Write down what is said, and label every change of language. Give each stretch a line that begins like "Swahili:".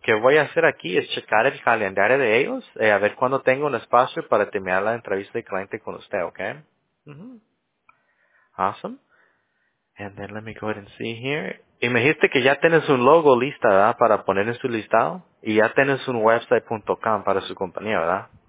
Spanish: Que voy a hacer aquí es checar el calendario de ellos, a ver cuándo tengo un espacio para terminar la entrevista de cliente con usted, okay?
English: Mm-hmm. Awesome. And then let me go ahead and see here.
Spanish: Y me dijiste que ya tienes un logo lista, ¿verdad? Para poner en su listado. Y ya tienes un website.com para su compañía, ¿verdad?